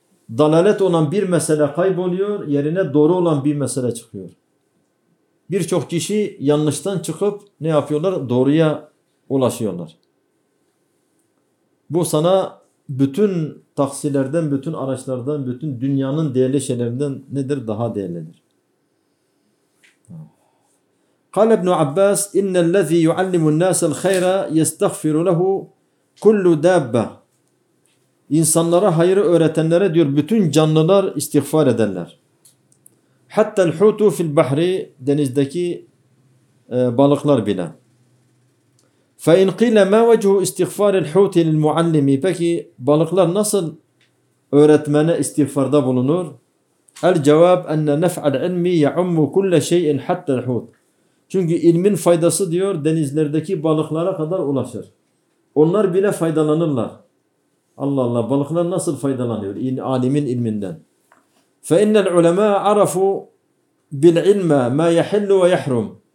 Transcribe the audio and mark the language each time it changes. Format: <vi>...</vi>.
<tr>Dalalet olan bir mesele kayboluyor, yerine doğru olan bir mesele çıkıyor. Birçok kişi yanlıştan çıkıp ne yapıyorlar? Doğruya ulaşıyorlar. Bu sana bütün taksilerden, bütün araçlardan, bütün dünyanın değerli şeylerinden nedir? Daha değerlidir.</tr> <ar>قال ابن عباس إن الذي يعلم الناس الخير يستغفر له كل دابة.</ar> <tr>İnsanlara hayrı öğretenlere diyor bütün canlılar istiğfar ederler. Hatta</tr> <ar>الحوتو في البحر</ar> <tr>denizdeki balıklar bile.</tr> <ar>فإن قيل ما وجه استغفار الحوت للمعلم.</ar> <tr>Peki balıklar nasıl öğretmene istiğfarda bulunur?</tr> <ar>الجواب أن نفع العلم يعم كل شيء حتى الحوت.</ar> <tr>Çünkü ilmin faydası diyor denizlerdeki balıklara kadar ulaşır. Onlar bile faydalanırlar. Allah Allah, balıklar nasıl faydalanıyor alimin ilminden?</tr> <ar>فَاِنَّ الْعُلَمَاءَ عَرَفُوا بِالْعِلْمَ مَا يَحِلُّ وَيَحْرُمُ.</ar>